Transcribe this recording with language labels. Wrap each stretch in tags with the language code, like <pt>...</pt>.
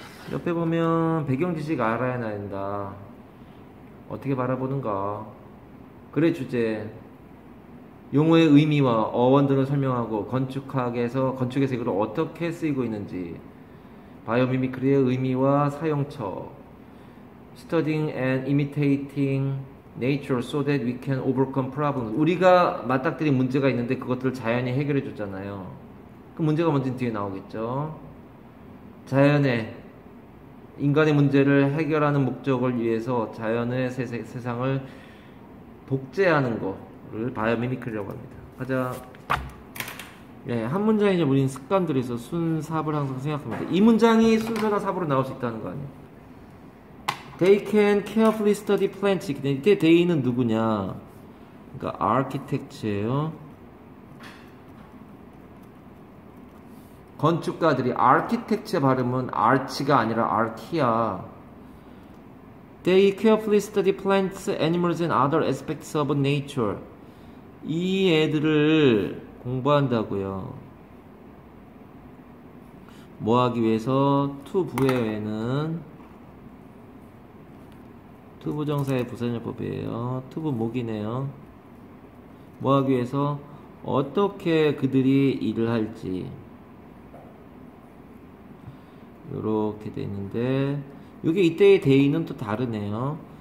<ko>옆에 보면 배경 지식 알아야 한다. 어떻게 바라보는가. 글의 주제. 용어의 의미와 어원 등을 설명하고 건축학에서 건축에서 이걸 어떻게 쓰이고 있는지. 바이오미미크리의 의미와 사용처.</ko> <en>Studying and imitating nature so that we can overcome problems.</en> <ko>우리가 맞닥뜨린 문제가 있는데 그것들을 자연이 해결해 줬잖아요. 그 문제가 뭔지는 뒤에 나오겠죠. 자연의 인간의 문제를 해결하는 목적을 위해서 자연의 세상을 복제하는 거를 바이오미미크리라고 합니다. 가자. 네, 한 문장이냐 우리는 습관들에서 순삽을 항상 생각합니다. 이 문장이 순서나 삽으로 나올 수 있다는 거 아니에요.</ko> <en>They can carefully study plants.</en> <ko>이때 they는 누구냐? 그러니까 architects예요. 건축가들이 architect의 발음은 arch가 아니라 arch야.</ko> <en>They carefully study plants, animals, and other aspects of nature.</en> <ko>이 애들을 공부한다고요. 뭐 하기 위해서 to 부에는 투부 정사의 부사녀법이에요. 투부 목이네요. 뭐 하기 위해서 어떻게 그들이 일을 할지 요렇게 되는데 요게 이때의 데이는 또 다르네요.</ko>